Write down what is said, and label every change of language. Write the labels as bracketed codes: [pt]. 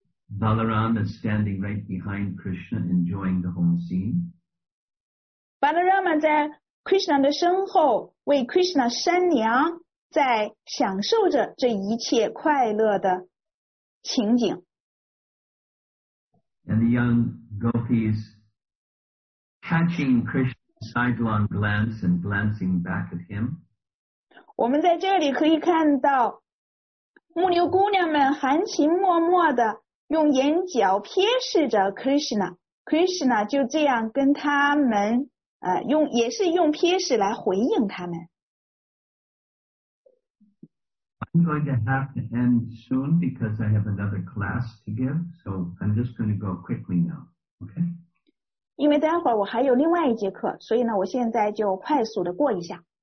[en] Balaram is standing right behind Krishna, enjoying the whole scene. [zh] Balarama 在 Krishna 的身后为 Krishna 山娘在享受着这一切快乐的情景。And [en] the young gopis catching Krishna's sidelong glance and glancing back at him. [zh] 我们在这里可以看到 牧牛姑娘们含情脉脉地用眼角瞥视着 Krishna, Krishna 就这样跟他们，也是用瞥视来回应他们。 [en] I'm going to have to end soon because I have another class to give, so I'm just going to go quickly now, okay? [zh] 因为待会儿我还有另外一节课，所以呢，我现在就快速的过一下。